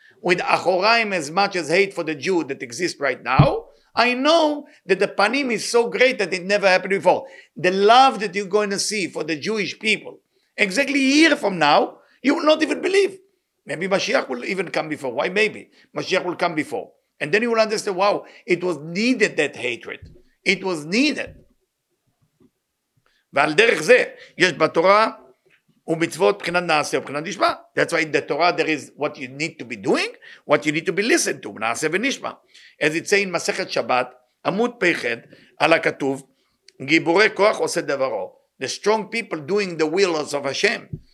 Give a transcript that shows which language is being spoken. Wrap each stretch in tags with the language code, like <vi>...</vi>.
<en>With achoraim, as much as hate for the Jew that exists right now, I know that the panim is so great that it never happened before. The love that you're going to see for the Jewish people, exactly a year from now, you will not even believe. Maybe Mashiach will even come before. Why maybe? Mashiach will come before. And then you will understand, wow, it was needed, that hatred. It was needed.</en> <he>ועל דרך זה יש בתורה ומצוות בחינת נעשה ובחינת נשמע.</he> <en>That's why in the Torah there is what you need to be doing, what you need to be listened to,</en> <he>נעשה ונשמע.</he> <en>As it says in מסכת שבת, עמוד פחד, על הכתוב,</en> <he>גיבורי כוח עושה דברו.</he> <en>The strong people doing the will of Hashem.</en>